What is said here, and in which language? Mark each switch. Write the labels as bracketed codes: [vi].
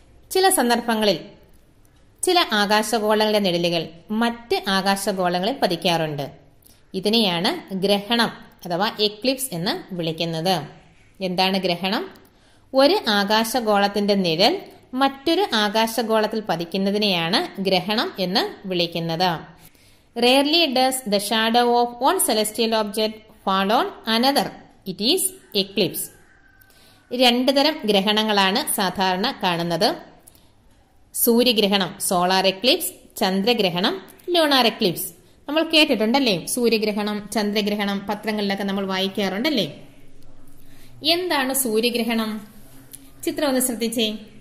[ml] ചില സന്ദർഭങ്ങളിൽ ചില ആകാശഗോളങ്ങളുടെ നിഴലുകൾ മറ്റ് ആകാശഗോളങ്ങളിൽ പതിക്കാറുണ്ട്. ഇതിനെയാണ് ഗ്രഹണം അഥവാ എക്ലിപ്സ് എന്ന് വിളിക്കുന്നത്. എന്താണ് ഗ്രഹണം? ഒരു ആകാശഗോളത്തിന്റെ നിഴൽ മറ്റൊരു ആകാശഗോളത്തിൽ പതിക്കുന്നതിനെയാണ് ഗ്രഹണം എന്ന് വിളിക്കുന്നത്. [en] Rarely does the shadow of one celestial object fall on another. It is eclipse. [ml] രണ്ട് തരം ഗ്രഹണങ്ങളാണ് സാധാരണ കാണുന്നത്. സൂര്യഗ്രഹണം സോളാർ എക്ലിപ്സ്, ചന്ദ്രഗ്രഹണം ലൂണാർ എക്ലിപ്സ്. നമ്മൾ കേട്ടിട്ടുണ്ടല്ലേ സൂര്യഗ്രഹണം ചന്ദ്രഗ്രഹണം, പത്രങ്ങളിലൊക്കെ നമ്മൾ വായിക്കാറുണ്ടല്ലേ. എന്താണ് സൂര്യഗ്രഹണം? ചിത്രം ഒന്ന് ശ്രദ്ധിച്ചേ.